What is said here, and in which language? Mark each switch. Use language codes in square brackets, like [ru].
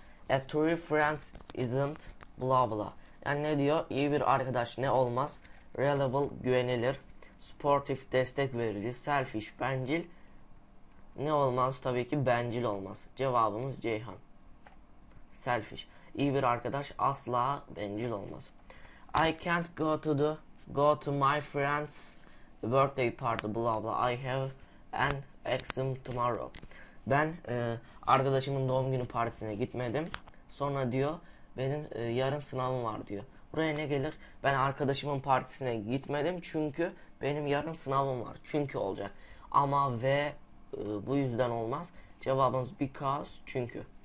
[en] A true friend isn't bla bla. [tr] Yani ne diyor? İyi bir arkadaş ne olmaz? Reliable güvenilir. Sportif destek verici. Selfish bencil. Ne olmaz? Tabii ki bencil olmaz. Cevabımız Ceyhan. Selfish. İyi bir arkadaş asla bencil olmaz. [en] I can't go to my friend's birthday party bla bla. I have an exam tomorrow. [tr] Ben arkadaşımın doğum günü partisine gitmedim. Sonra diyor benim yarın sınavım var diyor. Buraya ne gelir? Ben arkadaşımın partisine gitmedim çünkü benim yarın sınavım var. Çünkü olacak. Ama ve bu yüzden olmaz. Cevabımız because çünkü.